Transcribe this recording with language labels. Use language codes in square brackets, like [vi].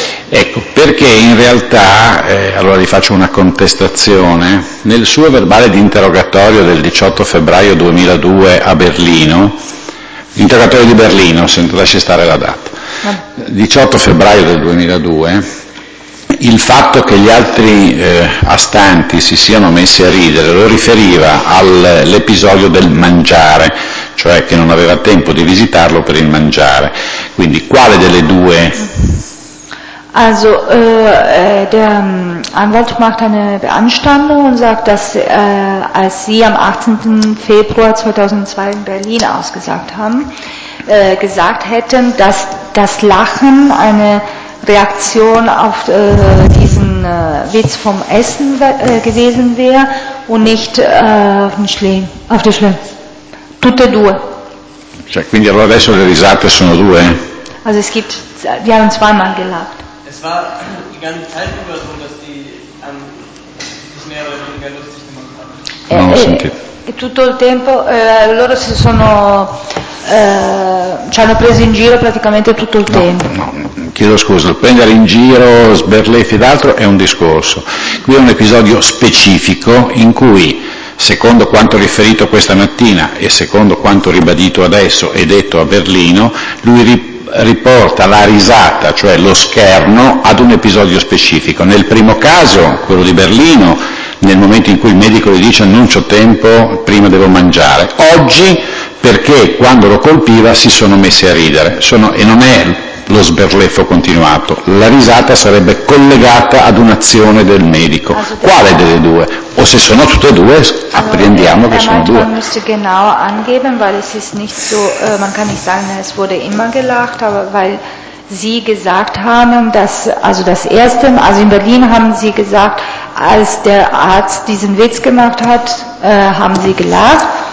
[it] Ecco, perché in realtà, allora vi faccio una contestazione, nel suo verbale di interrogatorio del 18 febbraio 2002 a Berlino, interrogatorio di Berlino, se non lasci stare la data, 18 febbraio del 2002, il fatto che gli altri astanti si siano messi a ridere lo riferiva all'episodio del mangiare, cioè che non aveva tempo di visitarlo per il mangiare. Quindi quale delle due? [de] Also der Anwalt macht eine Beanstandung und sagt, dass als sie am 18. Februar 2002 in Berlin ausgesagt haben, gesagt hätten, dass das Lachen eine Reaktion auf diesen Witz vom Essen gewesen wäre und nicht auf den Schlimm. [it] Tutte due. Cioè, quindi allora adesso le risate sono due. [de] Also es gibt, wir haben zweimal gelacht. Es war die ganze Zeit über so, dass die sich mehr oder weniger lustig gemacht haben. [it] Non ho sentito. Tutto il tempo loro si sono ci hanno preso in giro praticamente tutto il tempo. No, chiedo scusa, prendere in giro, sberleffi ed altro è un discorso. Qui è un episodio specifico in cui, secondo quanto riferito questa mattina e secondo quanto ribadito adesso e detto a Berlino, lui riporta la risata, cioè lo scherno, ad un episodio specifico. Nel primo caso, quello di Berlino, nel momento in cui il medico gli dice non c'ho tempo, prima devo mangiare. Oggi, perché quando lo colpiva si sono messi a ridere. E non è lo sberleffo continuato, la risata sarebbe collegata ad un'azione del medico. Quale delle due? O se sono tutte e due, apprendiamo che sono due. [de] Man müsste genau angeben, weil es ist nicht so, man kann nicht sagen, es wurde immer gelacht, aber weil sie gesagt haben, dass, also das erste, also in Berlin haben sie gesagt, als der Arzt diesen Witz gemacht hat, haben sie gelacht.